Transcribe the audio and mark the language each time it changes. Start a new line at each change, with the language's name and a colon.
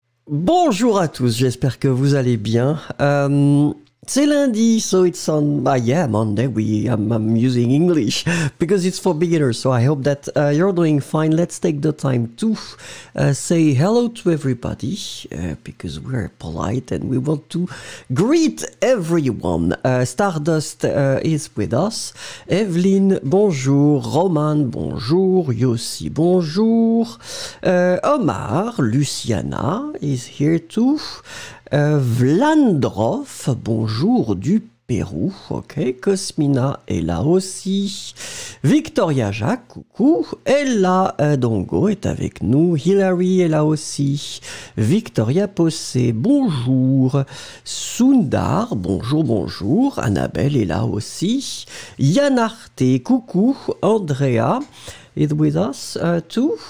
French: Bonjour à tous, j'espère que vous allez bien. C'est lundi,
English: so it's on... yeah, Monday, I'm using English, because it's for beginners, so I hope that you're doing fine. Let's take the time to say hello to everybody, because we're polite and we want to greet everyone. Stardust is with us. Evelyn, bonjour.
French: Roman, bonjour. Yossi, bonjour.
English: Omar, Luciana is here too.
French: Vlandrov, bonjour du Pérou, ok, Cosmina est là aussi, Victoria Jacques, coucou, Ella Dongo est avec nous, Hilary est là aussi, Victoria Possé, bonjour, Sundar, bonjour, bonjour, Annabelle est là aussi, Yann Arte, coucou, Andrea,
English: is with us too.